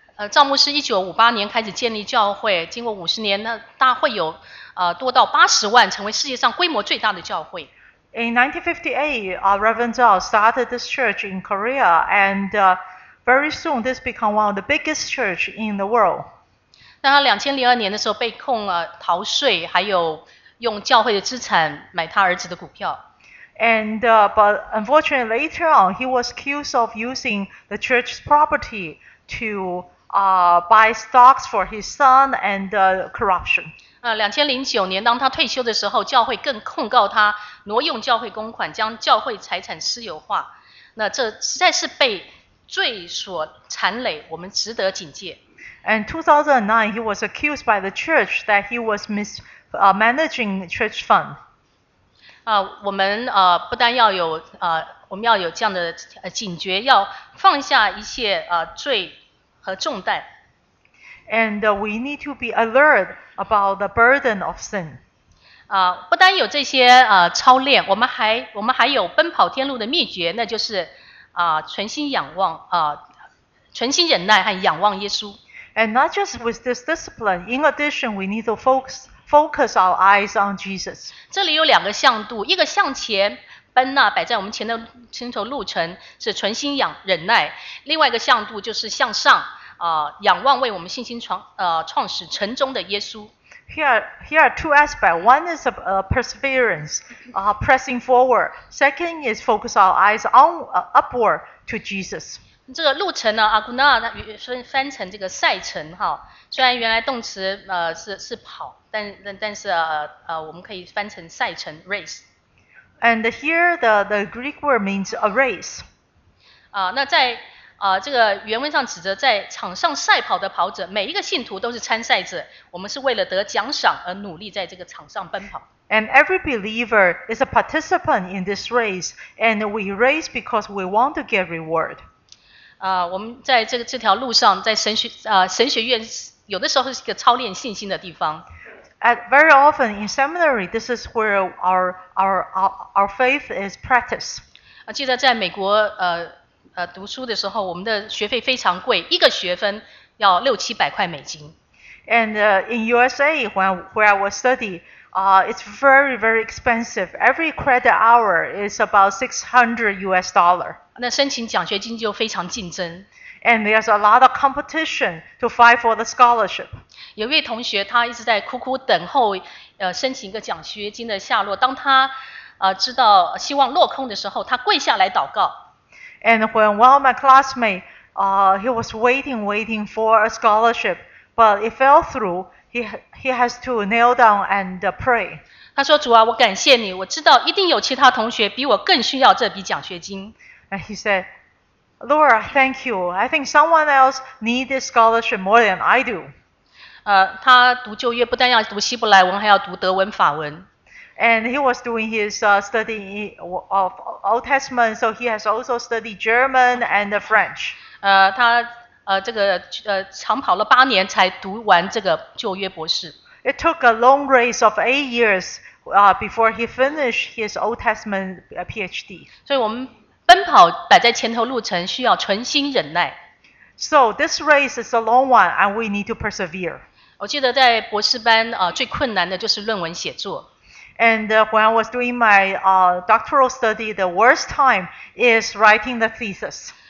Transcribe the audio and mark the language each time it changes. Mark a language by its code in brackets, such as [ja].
[zh] 赵牧师1958年开始建立教会，经过50年，那大会有多到80万，成为世界上规模最大的教会。 [en] In 1958, Reverend Zhao started this church in Korea, and very soon this became one of the biggest church in the world. [zh] 那他2002年的时候被控逃税，还有用教会的资产买他儿子的股票。 [en] And but unfortunately later on, he was accused of using the church's property to buy stocks for his son and corruption. [zh] 2009年当他退休的时候，教会更控告他挪用教会公款，将教会财产私有化。那这实在是被罪所缠累，我们值得警戒。 [en] And 2009, he was accused by the church that he was mismanaging church fund. [zh] 我们不单要有我们要有这样的警觉，要放下一切罪和重担。 [en] And we need to be alert about the burden of sin. [zh] 不单有这些操练，我们还有奔跑天路的秘诀，那就是存心仰望存心忍耐和仰望耶稣。 [en] And not just with this discipline, in addition, we need to focus our eyes on Jesus. [zh] 这里有两个向度，一个向前奔那摆在我们前的前头路程，是存心仰忍耐；另外一个向度就是向上，仰望为我们信心创始成终的耶稣。 [en] Here are two aspects. One is perseverance, pressing forward. Second is focus our eyes on upward to Jesus. [zh] 这个路程呢 ，aguna 翻成这个赛程哈，虽然原来动词是跑，但是我们可以翻成赛程 race。 [en] And here the Greek word means a race. [zh] 那在这个原文上指着在场上赛跑的跑者，每一个信徒都是参赛者，我们是为了得奖赏而努力在这个场上奔跑。 [en] And every believer is a participant in this race, and we race because we want to get reward. [zh] 我们在这条路上，在神学院，有的时候是一个操练信心的地方。 [en] At very often in seminary, this is where our faith is practiced. [zh] 记得在美国读书的时候，我们的学费非常贵，一个学分要六七百块美金。 [en] And in USA, where I was studying, it's very, very expensive. Every credit hour is about $600. [zh] 那申请奖学金就非常竞争。 [en] And there's a lot of competition to fight for the scholarship. [zh] 有位同学他一直在苦苦等候，申请一个奖学金的下落。当他知道希望落空的时候，他跪下来祷告。 [en] And when one of my classmates, he was waiting for a scholarship, but it fell through. He has to kneel down and pray. [zh] 他说：“主啊，我感谢你，我知道一定有其他同学比我更需要这笔奖学金。” [en] And he said, "Lord, thank you. I think someone else needs this scholarship more than I do." [zh] 他读旧约不但要读希伯来文，还要读德文、法文。 [en] And he was doing his study of Old Testament, so he has also studied German and French. [zh] 他长跑了八年才读完这个旧约博士。 [en] It took a long race of 8 years before he finished his Old Testament PhD. [zh] 所以我们奔跑摆在前头路程需要存心忍耐。 [en] So this race is a long one, and we need to persevere. [zh] 我记得在博士班最困难的就是论文写作。 [en] And when I was doing my doctoral study, the worst time is writing the thesis.